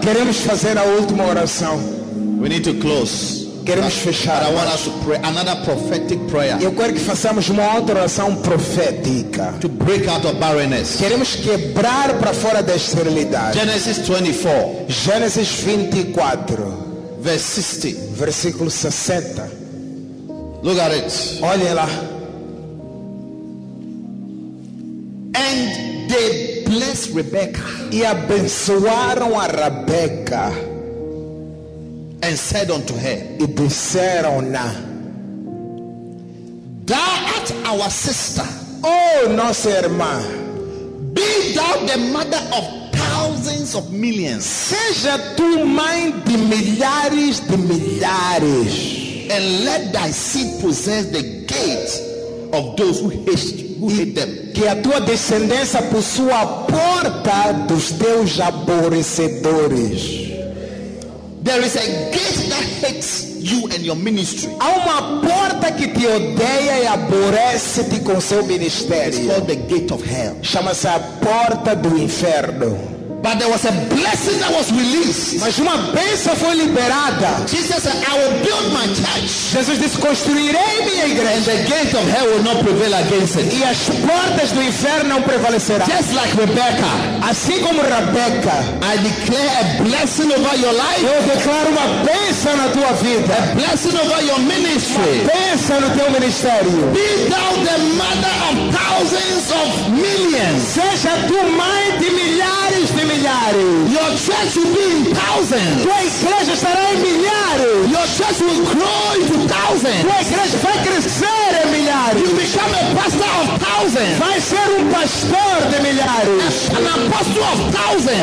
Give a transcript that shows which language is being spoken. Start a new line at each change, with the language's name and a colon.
Portuguese: Queremos fazer a última oração.
English: We need to close.
Portuguese: Queremos fechar.
English: But I want us to pray another prophetic prayer.
Portuguese: Eu quero que façamos uma outra oração profética.
English: To break out of barrenness.
Portuguese: Queremos quebrar para fora da esterilidade.
English: Genesis 24.
Portuguese: Gênesis 24.
English: Verse 60.
Portuguese: Versículo 60.
English: Look at it.
Portuguese: Olha lá.
English: And they blessed Rebecca.
Portuguese: E abençoaram a Rebecca.
English: And said unto her,
Portuguese: e disseram-na,
English: thou art our sister,
Portuguese: oh nossa irmã,
English: be thou the mother of thousands of millions,
Portuguese: seja tu mãe de milhares de milhares,
English: and let thy seed possess the gates of those who hate them.
Portuguese: Que a tua descendência possua a porta dos teus aborrecedores.
English: There is a gate that hates you and your ministry.
Portuguese: Há uma porta que te odeia e aborrece-te com seu ministério.
English: It's called the gate of hell.
Portuguese: Chama-se a porta do inferno.
English: But there was a blessing that was released.
Portuguese: Mas uma bênção foi liberada.
English: Jesus said, I will build my church.
Portuguese: Jesus disse, construirei minha igreja.
English: And the gate of hell will not prevail against it.
Portuguese: E as portas do inferno não prevalecerão.
English: Just like Rebecca.
Portuguese: Assim como Rebecca.
English: I declare a blessing over your life.
Portuguese: Eu declaro uma bênção na tua vida.
English: A blessing over your ministry.
Portuguese: Uma bênção no teu ministério.
English: Be thou the mother of thousands of millions.
Portuguese: Seja tu mãe de milhares.
English: Your church will be in thousands.
Portuguese: Tua igreja estará em milhares.
English: Your church will grow into thousands.
Portuguese: Tua igreja vai crescer em milhares.
English: You become a pastor of thousands.
Portuguese: Vai ser pastor de milhares.
English: An apostle of thousands.